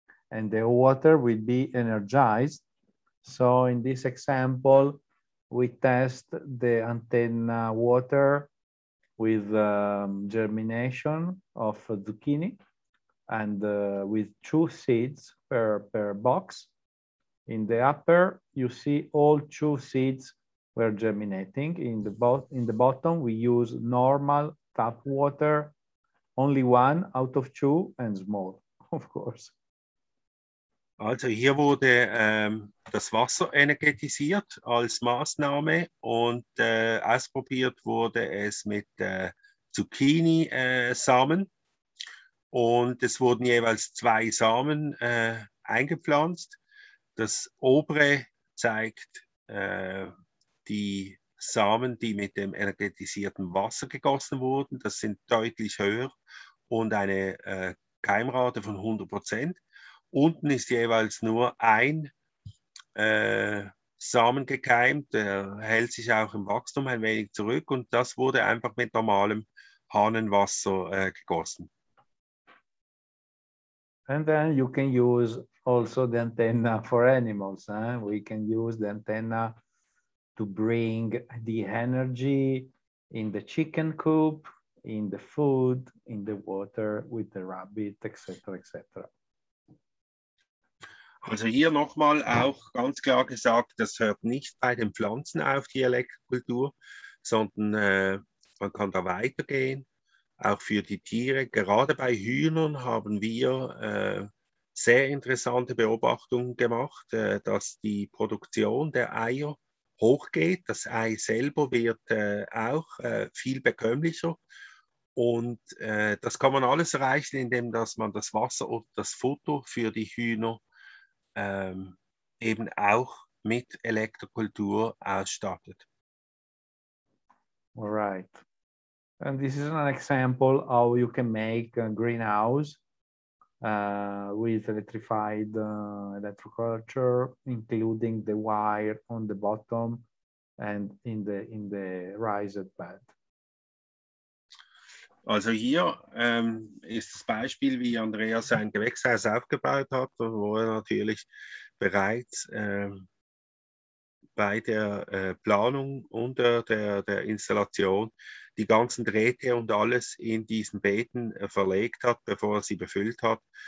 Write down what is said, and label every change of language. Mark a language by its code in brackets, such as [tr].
[en] And the water will be energized. So in this example, we test the antenna water with germination of a zucchini and with two seeds per box. In the upper, you see all two seeds were germinating. In the bottom, we use normal tap water, only one out of two and small, of course. [de] Also hier wurde das Wasser energetisiert als Maßnahme und ausprobiert wurde es mit Zucchini-Samen. Und es wurden jeweils zwei Samen eingepflanzt. Das obere zeigt die Samen, die mit dem energetisierten Wasser gegossen wurden. Das sind deutlich höher und eine Keimrate von 100%. Unten ist jeweils nur ein Samen gekeimt. Der hält sich auch im Wachstum ein wenig zurück. Und das wurde einfach mit normalem Hahnenwasser gegossen. [en] And then you can use also the antenna for animals. Eh? We can use the antenna to bring the energy in the chicken coop, in the food, in the water with the rabbit, etc., etc. [de] Also hier nochmal auch ganz klar gesagt, das hört nicht bei den Pflanzen auf, die Elektrokultur, sondern man kann da weitergehen. Auch für die Tiere, gerade bei Hühnern haben wir sehr interessante Beobachtungen gemacht, dass die Produktion der Eier hochgeht. Das Ei selber wird auch viel bekömmlicher. Und das kann man alles erreichen, indem dass man das Wasser und das Futter für die Hühner eben auch mit Elektrokultur ausstattet. [en] All right. And this is an example how you can make a greenhouse with electrified electroculture, including the wire on the bottom and in the raised bed. [de] Also hier ist das Beispiel, wie Andrea sein Gewächshaus aufgebaut hat, wo er natürlich bereits bei der Planung und der Installation die ganzen Drähte und alles in diesen Beeten verlegt hat, bevor er sie befüllt hat.